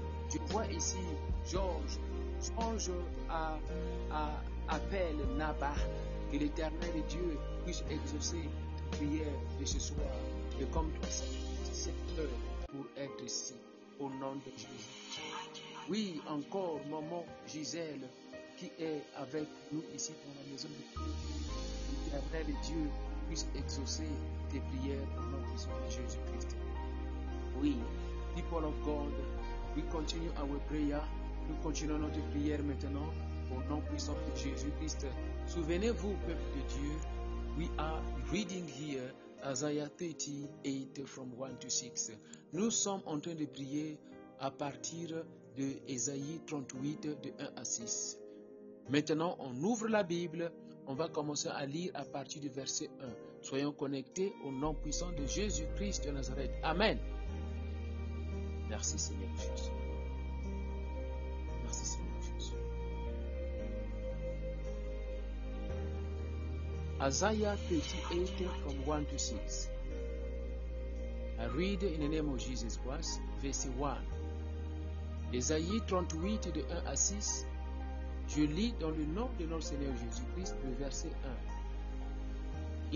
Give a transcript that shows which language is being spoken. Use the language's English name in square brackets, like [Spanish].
[French] Je vois ici George, songe à appel Naba, que l'Éternel Dieu puisse exaucer la prière de ce soir, de comme toi, cette heure pour être ici, au nom de Jésus. Oui, encore maman Gisèle qui est avec nous ici dans la maison de Dieu. L'Éternel Dieu puisse exaucer tes prières au nom de Jésus-Christ. [English] Oui, people of God, we continue our prayer. [French] Nous continuons notre prière maintenant au nom puissant de Jésus-Christ. Souvenez-vous, peuple de Dieu, [English] we are reading here Isaiah 38 from 1 to 6. [French] Nous sommes en train de prier à partir de Ésaïe 38, de 1 à 6. Maintenant, on ouvre la Bible, on va commencer à lire à partir du verset 1. Soyons connectés au nom puissant de Jésus-Christ de Nazareth. Amen. Merci Seigneur Jésus. Merci Seigneur Jésus. [English] Isaiah 38, from 1 to 6. I read in the name of Jesus Christ, verset 1. [French] Ésaïe 38, de 1 à 6, je lis dans le nom de notre Seigneur Jésus-Christ, le verset 1.